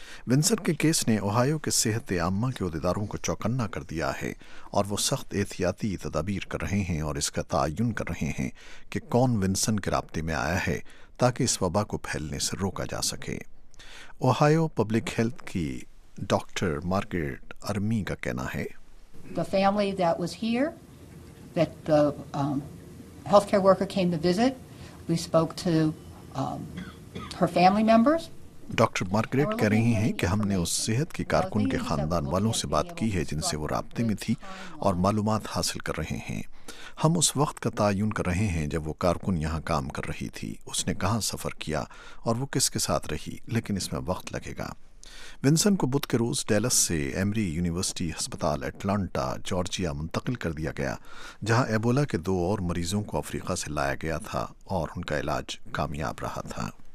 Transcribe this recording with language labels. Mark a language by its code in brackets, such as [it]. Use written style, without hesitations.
[ur] Windsor کے case نے Ohio کے صحت عامہ کے عہدیداروں کو چوکنا کر دیا ہے اور وہ سخت احتیاطی تدابیر کر رہے ہیں اور اس کا تعین کر رہے ہیں کہ کون ونسن کے رابطے میں آیا ہے تاکہ اس وبا کو پھیلنے سے روکا جا سکے۔ اوہائیو پبلک ہیلتھ کی ڈاکٹر مارگریٹ ارمی کا کہنا ہے، [en] The family that was here, that the healthcare worker came to visit, we spoke to her family members۔ [ur] Doctor Margaret کہہ رہی ہیں کہ ہم نے اس صحت کے کارکن کے خاندان والوں سے بات کی ہے جن سے وہ رابطے میں تھی اور معلومات حاصل کر رہے ہیں۔ ہم اس وقت کا تعین کر رہے ہیں جب وہ کارکن یہاں کام کر رہی تھی، اس نے کہاں سفر کیا اور وہ کس کے ساتھ رہی، لیکن اس میں وقت لگے گا۔ ونسن کو بدھ کے روز ڈیلس سے ایمری یونیورسٹی ہسپتال اٹلانٹا جارجیا منتقل کر دیا گیا، جہاں ایبولا کے دو اور مریضوں کو افریقہ سے لایا گیا تھا اور ان کا علاج کامیاب رہا تھا۔